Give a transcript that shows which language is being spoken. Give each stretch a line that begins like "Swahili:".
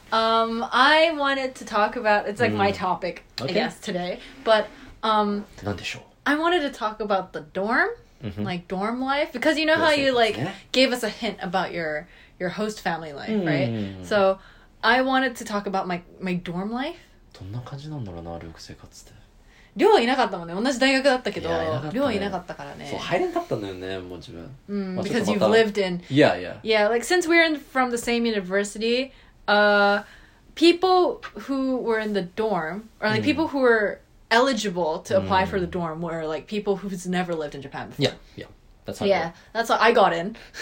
English: I wanted to talk about, it's like my topic,、okay. I guess, today. But,
Japanese: なんでしょう?
English: I wanted to talk about the dorm,、mm-hmm. like dorm life. Because you know how you like、yeah. gave us a hint about your host family life,、mm. right? So I wanted to talk about my dorm life.
Japanese: どんな感じなんだろうな、留学生活って。寮いなかったもんね、同じ大学だったけど、寮いなかったからね。そう、入れなかったんだよね、もう自分。
English: Because you've lived in. Yeah, yeah. Yeah, like since we're in from the same university, people who were in the dorm, or like people who were eligible to apply for the dorm were like people who's never lived in Japan before. Yeah, yeah. That's how yeah, that's how I got in.